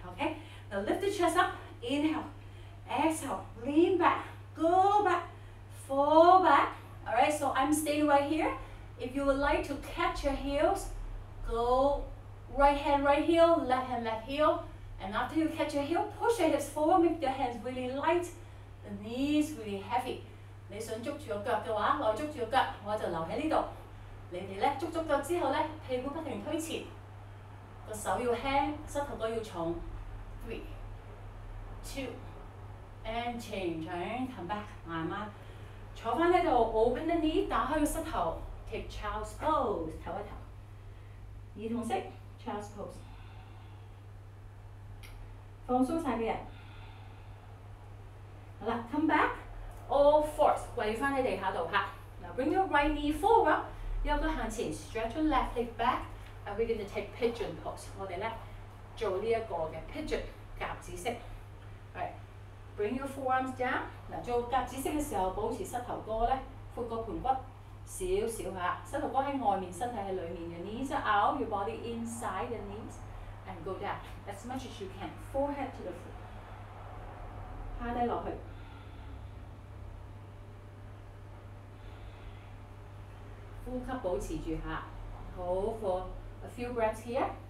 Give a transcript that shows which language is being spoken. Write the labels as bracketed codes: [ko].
[en] Okay? Now lift the chest up. Inhale. Exhale, lean back, go back, fall back. All right, so I'm staying right here. If you would like to catch your heels, go right hand, right heel, left hand, left heel. And after you catch your heel, push your hips forward, make your hands really light, the knees really heavy. [yue] 你想捉住個腳嘅話，我捉住個腳，我就留喺呢度。你哋咧捉足腳之後咧，屁股不停推前，個手要輕，膝頭哥要重。 [en] 3, 2. And change, and come back, [yue] 慢慢坐翻喺度 [en] ，open the knee， [yue] 打開個膝頭 [en] ，take child's pose， [yue] 唞一唞，兒童式 [en] child's pose， [yue] 放鬆曬嘅人，好啦 [en] ，come back， all fours， [yue] 跪翻喺地下度嚇 [en] ，now bring your right knee forward， [yue] 右腳向前 [en] ，stretch your left leg back， and we're gonna take pigeon pose， [yue] 我哋咧做呢一個嘅 pigeon 夾子式 [en] ，right。 Bring your forearms down. [yue] 嗱，做夾子式嘅時候，保持膝頭哥咧，闊個盤骨少少嚇。膝頭哥喺外面，身體喺裡面。 [en] Your knees are out. Your body inside the knees, and go down as much as you can. Forehead to the floor. [yue] 趴低落去。呼吸保持住嚇。好 [en] ，for a few breaths here.